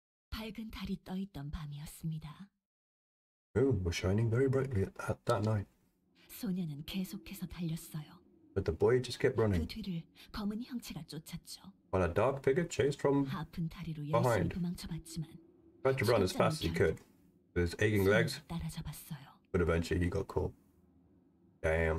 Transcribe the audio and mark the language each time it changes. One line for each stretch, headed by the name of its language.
Korean: 밝은 달이 떠있던 밤이었습니다.
English: Moon was shining very brightly at that night.
Korean: 소년은 계속해서 달렸어요.
English: But the boy just kept running.
Korean: 그 뒤를 검은 형체가 쫓았죠.
English: While a dark figure chased from behind.
Korean: 열심히 도망쳐봤지만,
English: tried to run as fast as he could. With his aching legs.
Korean: 따라잡았어요.
English: But eventually he got caught. Damn.